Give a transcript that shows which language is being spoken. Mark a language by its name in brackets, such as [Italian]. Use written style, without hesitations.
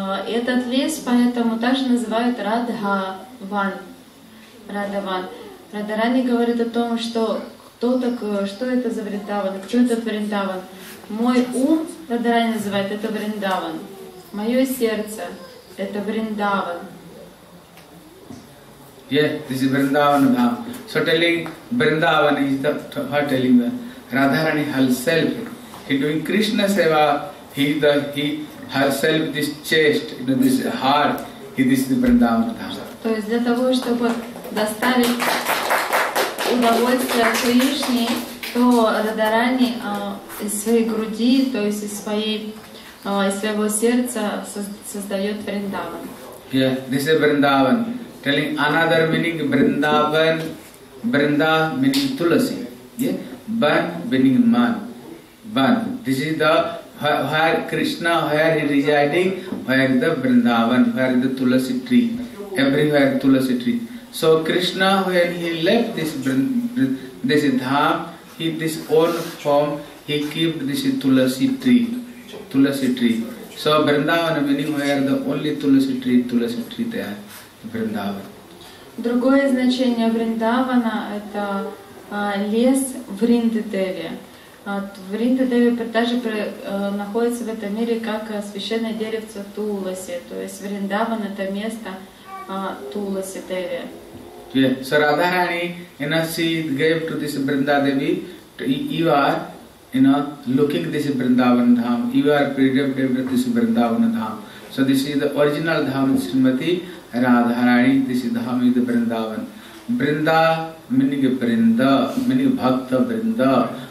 [Russian] Этот лес поэтому также называют Радхаван. Радхаван. Радарани говорит о том, что кто так, что это за Вриндаван, кто этот Вриндаван. Мой ум, Радарани называет, это Вриндаван. Мое сердце – это Вриндаван. [English] Yeah, this is Vrindavan Dham. So telling Vrindavan is the what telling Radharani herself. He doing Krishna Seva, he herself this chest, you know, this heart, he this is Vrindavan Dham. [Russian] То есть для того, чтобы доставить удовольствие Кришне, то Радарани из своей груди, то есть из своего сердца создает Вриндаван. [English] Yeah, this is Vrindavan. Telling another meaning Vrindavan, Vrinda meaning Tulasi. Yeah? Van meaning man. Van. This is the where Krishna, where he residing, where the Vrindavan, where the Tulasi tree. Everywhere Tulasi tree. So Krishna, when he left this dham, he this own form, he keep this Tulasi tree. Tulasi tree. So Vrindavan meaning where the only Tulasi tree there. [Russian] Вриндаван. Другое значение Вриндавана – это лес Вриндадеви. Вриндадеви также находится в этом мире как священное деревце Туласи. То есть Вриндаван – это место Туласи Деви. [English] So Radharani, you know, she gave to this Vriндадеви, you are, you know, looking this Vriндаван Dham. You are predicted with this Vriндаван Dham. So this is the original Dham Srimati. Radharani, this is Dham is the Vrindavan. Brinda meaning Brinda, meaning Bhakta Brinda.